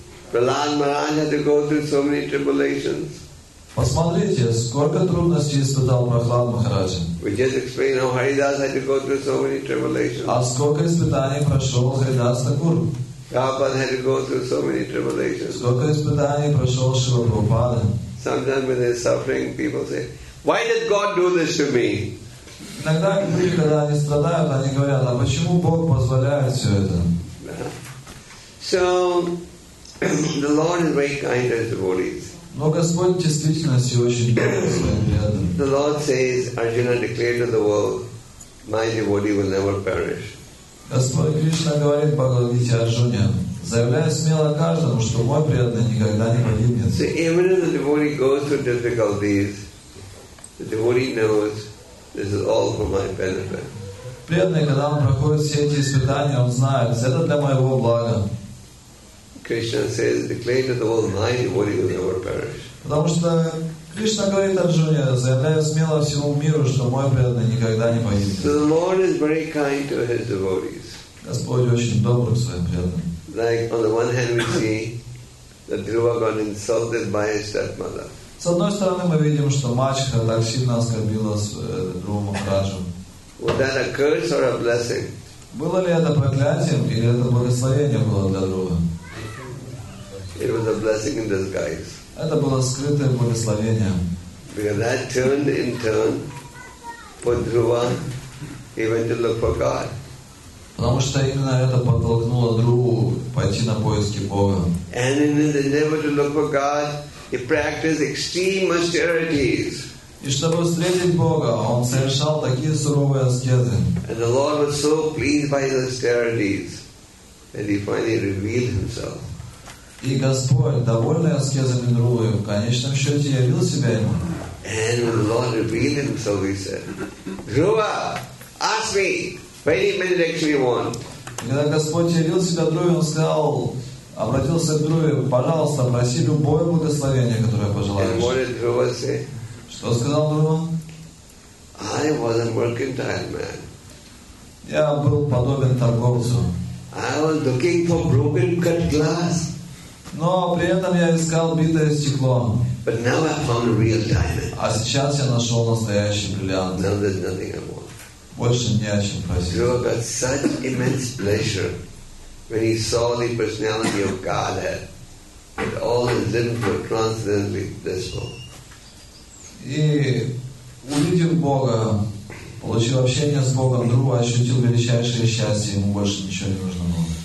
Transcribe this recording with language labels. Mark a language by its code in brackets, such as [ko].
[en] Prahlad Maharaj had to go through so many tribulations. [ru] Посмотрите, сколько трудностей испытал Прохлад Махарадж. [en] We just explained how Haridas had to go through so many tribulations. [ru] А сколько испытаний прошел Харидас Такур? [en] Prabhupada had to go through so many tribulations. [ru] Сколько испытаний прошел Шрила Прабхупада? [en] Sometimes when they're suffering, people say, why did God do this to me? [ru] Иногда люди, когда они страдают, они говорят, а почему Бог позволяет все это? [en] So, the Lord is very kind to his devotees. [ru] Но Господь действительно очень добр к своим преданным. [en] The Lord says, Arjuna declared to the world, my devotee will never perish. [ru] Господь Кришна говорит Бхагавадгите Арджуне, заявляя смело каждому, что мой преданный никогда не погибнет. [en] So even if the devotee goes through difficulties, the devotee knows this is all for my benefit. [ru] Преданный, когда он проходит все эти испытания, он знает, это для моего блага. [en] Krishna says, declare to the world, my devotee will never perish. [ru] Потому что Кришна говорит Арджуне, заявляя смело всему миру, что мой преданный никогда не погибнет. [en] So the Lord is very kind to his devotees. [ru] Господь очень добр к своим преданным. [en] Like on the one hand we see that Dhruva got insulted by his stepmother. [ru] С одной стороны мы видим, что мачеха так сильно оскорбила Дхрува Махараджу. [en] Was that a curse or a blessing? [ru] Было ли это проклятием или это благословение было для Дхрувы? [en] It was a blessing in disguise. [ru] Это было скрытое благословение. [en] Because that turned in turn for Dhruva, he went to look for God. [ru] Потому что именно это подтолкнуло Дхруву пойти на поиски Бога. [en] And in his endeavor to look for God, he practiced extreme austerities. [ru] И чтобы встретить Бога, он совершал такие суровые аскезы. [en] And the Lord was so pleased by his austerities that he finally revealed himself. [ru] И Господь, довольный аскезами Дхрувы, в конечном счете явил себя ему. [en] And when the Lord revealed himself, he said, Dhruva, ask me, for any benediction you want. [ru] Когда Господь явил себя Дхруве, он сказал, обратился к Дхруве, пожалуйста, проси любое благословение, которое пожелаешь. [en] And what did Dhruva say? [ru] Что сказал Дхрува? [en] I was a mercantile man. [ru] Я был подобен торговцу. [en] I was looking for broken cut glass. [ru] Но при этом я искал битое стекло. [en] But now I found a real diamond. [ru] А сейчас я нашел настоящий бриллиант. [en] Now there's nothing I want. [ru] Больше не о чем просить. [en] Dhruva got such immense pleasure when he saw the personality of Godhead But all is limited transcendently blissful. [ru] И увидев Бога, получил общение с Богом, вдруг ощутил величайшее счастье, ему больше ничего не нужно было.